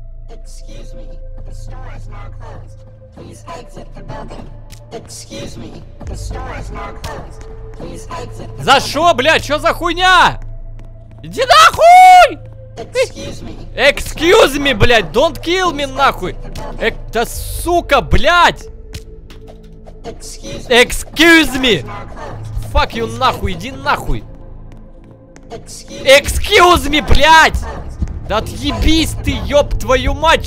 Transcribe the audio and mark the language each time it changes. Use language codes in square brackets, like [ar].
[en] Excuse me, the store is now closed. Please exit the building. Excuse me, the store is now closed. Please exit the building. [ru] За что, блядь, что за хуйня? Иди нахуй! [en] Excuse me, [ru] блядь, [en] don't kill me, [ru] нахуй! Это сука, блядь! [en] Excuse me! Fuck you, [ru] нахуй, иди нахуй! [en] Excuse me, [ru] блядь! Да отъебись ты, ёб твою мать!